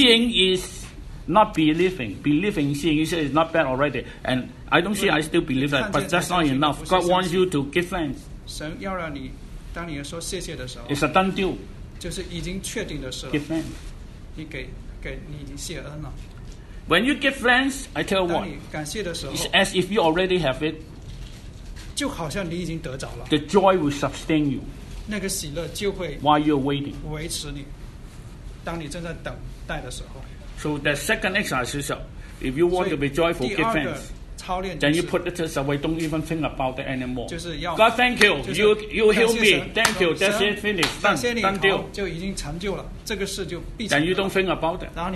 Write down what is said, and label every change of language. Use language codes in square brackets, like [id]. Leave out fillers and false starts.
[en] seeing is not believing. Believing, seeing, you say it's not bad already. And I don't see, I still believe that, but that's not enough. God wants you to give thanks. [zh] 神要让你, 当你说谢谢的时候, [en] it's a done deal. [zh] 就是已经确定的时候, [en] give thanks. [zh] 你已经谢恩了。 [en] When you give thanks, I tell you what, [zh] 当你感谢的时候, [en] it's as if you already have it. [zh] 就好像你已经得着了, [en] the joy will sustain you. [zh] 那个喜乐就会, [en] while you're waiting. [zh] 维持你, 当你正在等待的时候, [en] so the second exercise is, if you want to be joyful, give thanks. Then you put it away, don't even think about it anymore. God, thank you. You heal me. Thank you. That's it, finish. Done deal. Then you don't think about it.